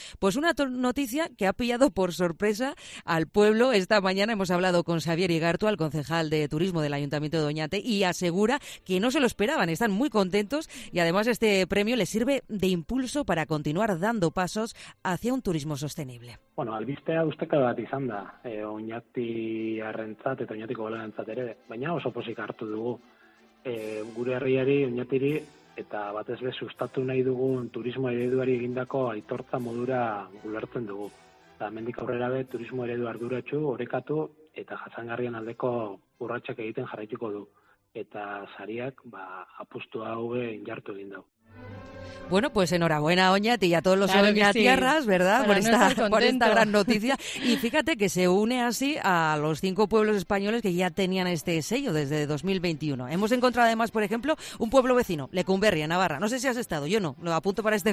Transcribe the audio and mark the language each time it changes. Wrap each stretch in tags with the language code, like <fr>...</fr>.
<es>Pues una noticia que ha pillado por sorpresa al pueblo. Esta mañana hemos hablado con Xavier Igartua, el concejal de turismo del Ayuntamiento de Oñate, y asegura que no se lo esperaban. Están muy contentos y además este premio les sirve de impulso para continuar dando pasos hacia un turismo sostenible.</es> <eu>Bueno, albiste hau usteka bat izan da, Oñati arrentzat eta Oñatiko balorentzat ere, baina oso pozik hartu dugu. Gure herriari, Oñatiri, eta batez ere sustatu nahi dugun turismo ereduari egindako aitortza modura ulertzen dugu. Eta hemendik aurrera be, turismo eredu arduratsu, orekatu eta jasangarrien aldeko urratsak egiten jarraituko du. Eta sariak, apustu hau be, injartu egin dugu.</eu> <es>Bueno, pues enhorabuena, Oñati, y a todos los claro oñatiarras, sí. ¿Verdad? Para por esta gran noticia. Y fíjate que se une así a los 5 pueblos españoles que ya tenían este sello desde 2021. Hemos encontrado además, por ejemplo, un pueblo vecino, Lecumberria, Navarra. No sé si has estado, yo no, lo apunto para este</es>